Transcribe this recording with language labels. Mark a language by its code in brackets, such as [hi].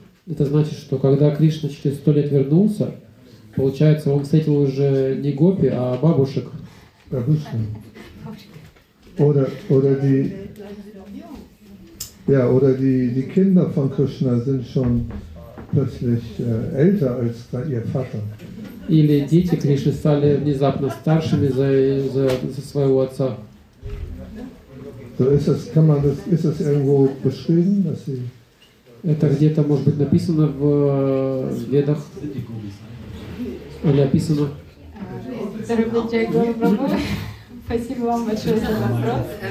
[ru] Это значит, что когда Кришна через 100 лет вернулся, получается, он встретил уже не гопи, а бабушек. Бабушки. [de] Oder die, ja, oder die Kinder von Krishna sind schon plötzlich älter als ihr Vater. [ru] Или дети Кришны стали внезапно старшими за своего отца. [de] So ist es, kann man das, ist es irgendwo beschrieben, dass sie... [ru] Это где-то, может быть, написано в Ведах? Или описано? Спасибо вам большое за вопрос.